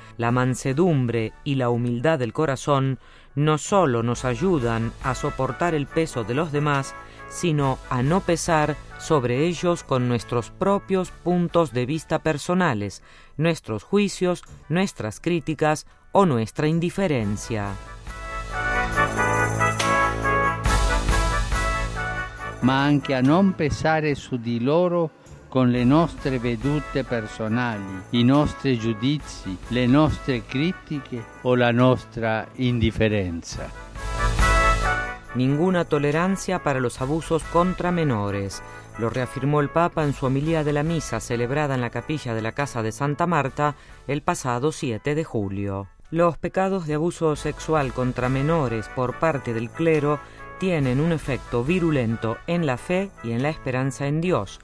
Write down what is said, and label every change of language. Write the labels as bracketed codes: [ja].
[es] La mansedumbre y la humildad del corazón no solo nos ayudan a soportar el peso de los demás, sino a no pesar sobre ellos con nuestros propios puntos de vista personales, nuestros juicios, nuestras críticas o nuestra indiferencia. [it] Ma anche a non pesare su di loro con le nostre vedute personali, i nostri giudizi, le nostre critiche o la nostra indifferenza. [es] Ninguna tolerancia para los abusos contra menores, lo reafirmó el Papa en su homilía de la misa celebrada en la capilla de la Casa de Santa Marta el pasado 7 de julio. Los pecados de abuso sexual contra menores por parte del clero tienen un efecto virulento en la fe y en la esperanza en Dios.